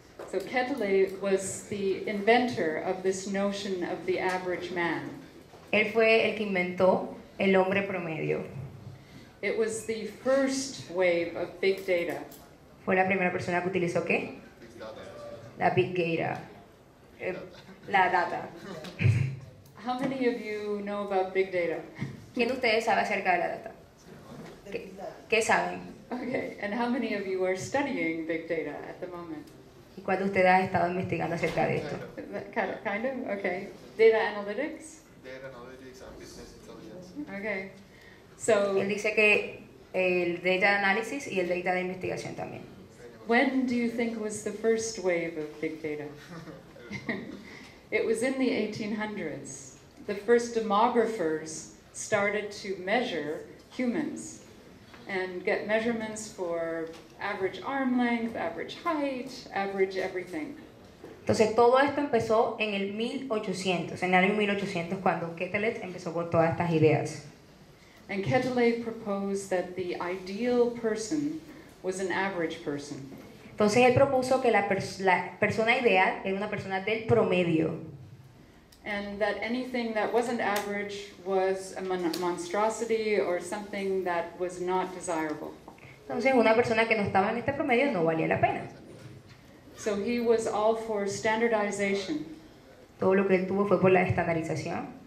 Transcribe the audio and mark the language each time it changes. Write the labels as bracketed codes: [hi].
[en] So Quetelet was the inventor of this notion of the average man. [es] Él fue el que inventó el hombre promedio. [en] It was the first wave of big data. [es] Fue la primera persona que utilizó ¿qué? La big data. La data. [en] How many of you know about big data? [es] ¿Quién de ustedes sabe acerca de la data? ¿Qué saben? [en] Okay, and how many of you are studying big data at the moment? [es] ¿Y cuál de ustedes ha estado investigando acerca de esto? [en] Kind of, okay. Data analytics? Data analytics and business intelligence. Okay. So, [es] él dice que el data analysis y el data de investigación también. [en] When do you think was the first wave of big data? It was in the 1800s. The first demographers started to measure humans and get measurements for average arm length, average height, average everything. [es] Entonces todo esto empezó en el 1800, en el año 1800 cuando Quetelet empezó con todas estas ideas. [en] And Quetelet proposed that the ideal person was an average person. [es] Entonces él propuso que la persona ideal era una persona del promedio. [en] And that anything that wasn't average was a monstrosity or something that was not desirable. [es] Entonces una persona que no estaba en este promedio no valía la pena. [en] So he was all for standardization. [es] Todo lo que él tuvo fue por la estandarización.